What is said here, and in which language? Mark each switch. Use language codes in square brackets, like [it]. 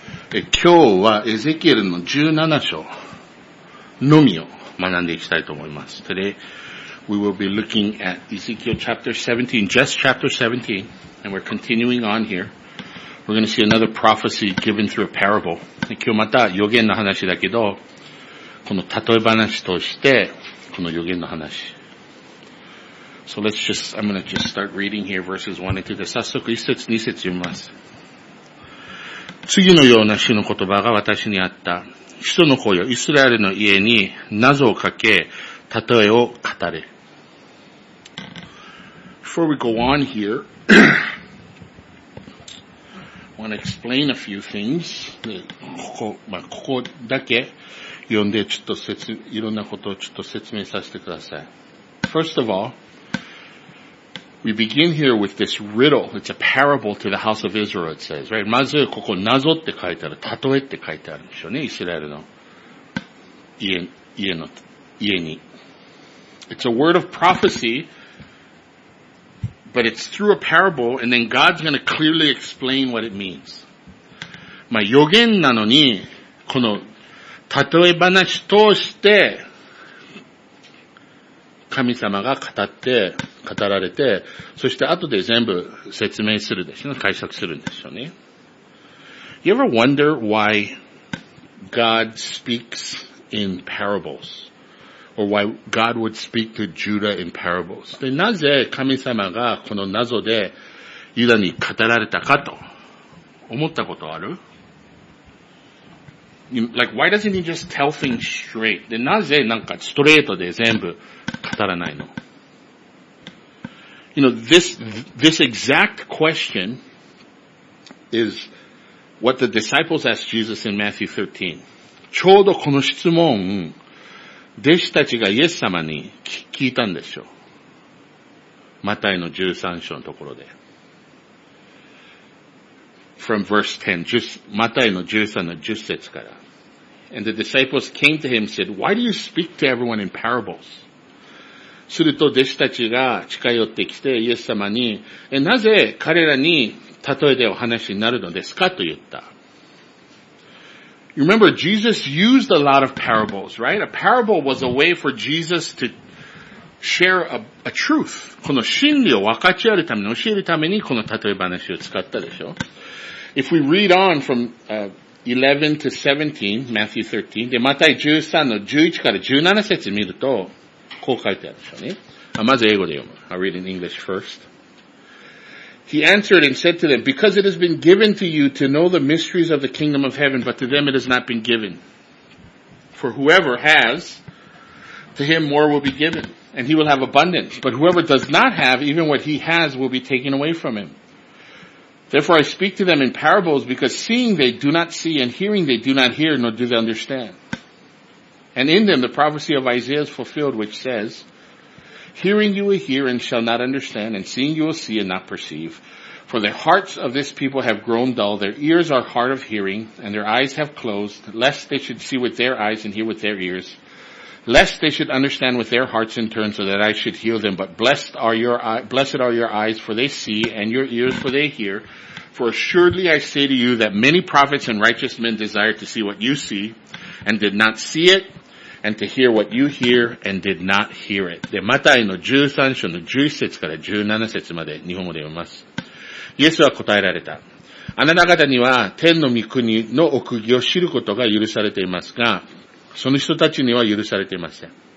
[ja] 今日はエゼキエルの17章のみを学んでいきたいと思います。 [en] Today, we will be looking at Ezekiel chapter 17, just chapter 17, and we're continuing on here. We're going to see another prophecy given through a parable. [ja] 今日また予言の話だけど、この例え話として、この予言の話。 [en] So let's just, I'm going to just start reading here verses 1 and 2. [ja] 早速1節2節読みます。次のような主の言葉が私にあった。人の子よ、イスラエルの家に謎をかけ、例えを語れ。 [en] Before we go on here, I want to explain a few things. [ja] ここだけ読んで、ちょっといろんなことをちょっと説明させてください。 [en] First of all,We begin here with this riddle. It's a parable to the house of Israel, it says, right? [ja] まずここ謎って書いてある、例えって書いてあるんでしょうね、イスラエルの家に。 [en] It's a word of prophecy, but it's through a parable, and then God's going to clearly explain what it means. [ja] まあ予言なのに、この例え話通して、神様が語られて、そして後で全部説明するでしょ、解釈するんでしょうね。 [en] You ever wonder why God speaks in parables? Or why God would speak to Judah in parables? [ja] で、なぜ神様がこの謎でユダに語られたかと思ったことある? [en] Like, why doesn't he just tell things straight? [ja] で、なぜなんかストレートで全部語らないの? [en] You know, this exact question is what the disciples asked Jesus in Matthew 13. [ja] ちょうどこの質問、弟子たちがイエス様に聞いたんですよ。マタイの13章のところで。 [en] From verse 10, [ja] マタイの13の10節から。 [en] And the disciples came to him and said, why do you speak to everyone in parables? [ja] すると弟子たちが近寄ってきてイエス様に、なぜ彼らに例えでお話になるのですかと言った。 [en] You remember, Jesus used a lot of parables, right? A parable was a way for Jesus to share a truth. [ja] この真理を分かち合うために、教えるためにこの例え話を使ったでしょ。 [en] If we read on from, 11 to 17, Matthew 13. [ja] で、マタイ13の11から17節見ると、こう書いてあるでしょうね。まず英語で読む。 [en] I'll read in English first. He answered and said to them, Because it has been given to you to know the mysteries of the kingdom of heaven, but to them it has not been given. For whoever has, to him more will be given, and he will have abundance. But whoever does not have, even what he has will be taken away from him. Therefore I speak to them in parables because seeing they do not see and hearing they do not hear nor do they understand. And in them the prophecy of Isaiah is fulfilled which says, Hearing you will hear and shall not understand and seeing you will see and not perceive. For the hearts of this people have grown dull, their ears are hard of hearing and their eyes have closed, lest they should see with their eyes and hear with their ears, lest they should understand with their hearts in turn so that I should heal them. But blessed are your eyes, for they see, and your ears, for they hear. For assuredly I say to you that many prophets and righteous men desired to see what you see, and did not see it, and to hear what you hear, and did not hear it. [ja] で、マタイの13章の11節から17節まで日本語で読みます。イエスは答えられた。あなた方には天の御国の奥義を知ることが許されていますが、その人たちには許されていません。